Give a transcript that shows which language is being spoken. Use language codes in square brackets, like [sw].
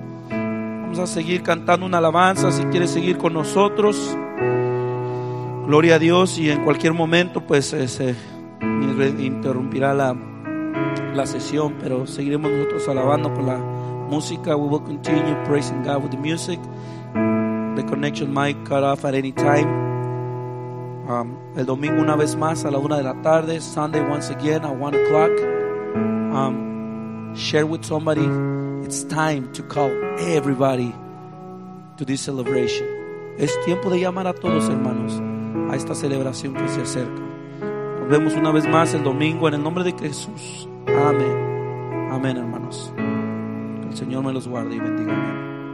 [es] Vamos a seguir cantando una alabanza si quieres seguir con nosotros. Gloria a Dios. Y en cualquier momento, pues se interrumpirá la sesión, pero seguiremos nosotros alabando con la música. [en] We will continue praising God with the music. The connection might cut off at any time. [es] El domingo una vez más a la 1:00 p.m. [en] Sunday once again at 1:00. Share with somebody. It's time to call everybody to this celebration. [es] Es tiempo de llamar a todos, hermanos, a esta celebración que se acerca. Nos vemos una vez más el domingo en el nombre de Jesús. Amén. Amén, hermanos. Que el Señor me los guarde y bendiga. Amén.